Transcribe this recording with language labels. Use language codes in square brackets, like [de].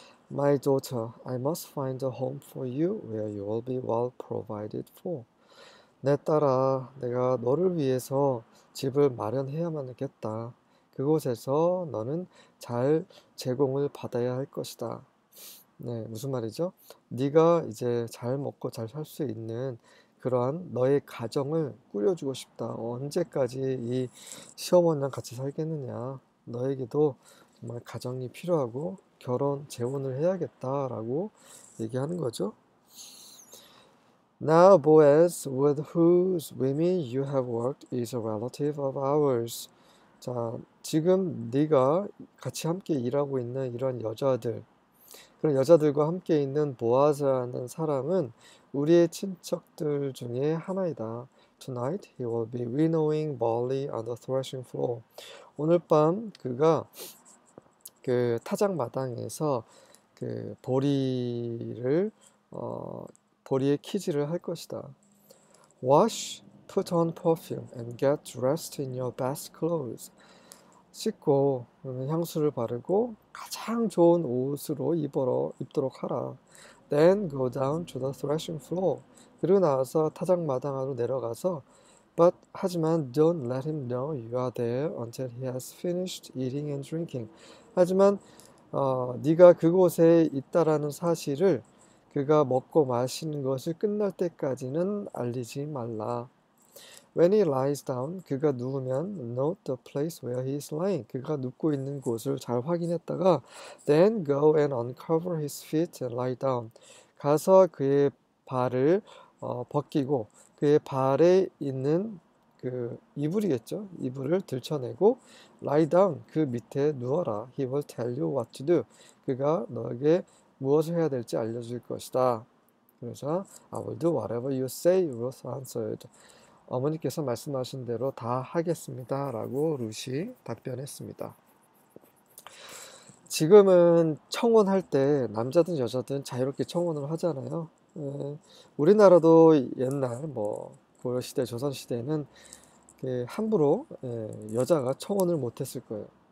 [en] My daughter, I must find a home for you where you will be well provided for. [ko] 내 딸아, 내가 너를 위해서 집을 마련해야만 하겠다. 그곳에서 너는 잘 제공을 받아야 할 것이다. 네, 무슨 말이죠? 네가 이제 잘 먹고 잘살수 있는 그러한 너의 가정을 꾸려주고 싶다. 언제까지 이 시어머니랑 같이 살겠느냐? 너에게도 정말 가정이 필요하고 결혼 재혼을 해야겠다라고 얘기하는 거죠. [en] Now, Boaz, with whose women you have worked is a relative of ours. [ko] 자, 지금 네가 같이 함께 일하고 있는 이런 여자들, 그런 여자들과 함께 있는 보아스라는 사람은 우리의 친척들 중에 하나이다. [en] Tonight he will be winnowing barley on the threshing floor. [ko] 오늘 밤 그가 그 타작 마당에서 그 보리의 키질을 할 것이다. [en] Wash, put on perfume, and get dressed in your best clothes. [ko] 씻고 향수를 바르고 가장 좋은 옷으로 입도록 하라. [en] Then go down to the threshing floor. [ko] 그리고 나서 타작 마당으로 내려가서 [en] But [ko] 하지만 [en] don't let him know you are there until he has finished eating and drinking. [ko] 하지만 네가 그곳에 있다라는 사실을 그가 먹고 마시는 것을 끝날 때까지는 알리지 말라. [en] When he lies down, [ko] 그가 누우면 [en] note the place where he is lying. [ko] 그가 눕고 있는 곳을 잘 확인했다가 [en] then go and uncover his feet and lie down. [ko] 가서 그의 발을 벗기고 그의 발에 있는 그 이불이겠죠? 이불을 들쳐내고 [en] lie down [ko] 그 밑에 누워라. [en] He will tell you what to do. [ko] 그가 너에게 무엇을 해야 될지 알려줄 것이다. 그래서 [en] I will do whatever you say, Ruth answered. [ko] 어머니께서 말씀하신 대로 다 하겠습니다. 라고 룻이 답변했습니다. 지금은 청혼할 때 남자든 여자든 자유롭게 청혼을 하잖아요. 우리나라도 옛날 뭐 고려시대, 조선시대에는 함부로 여자가 청혼을 못했을 거예요.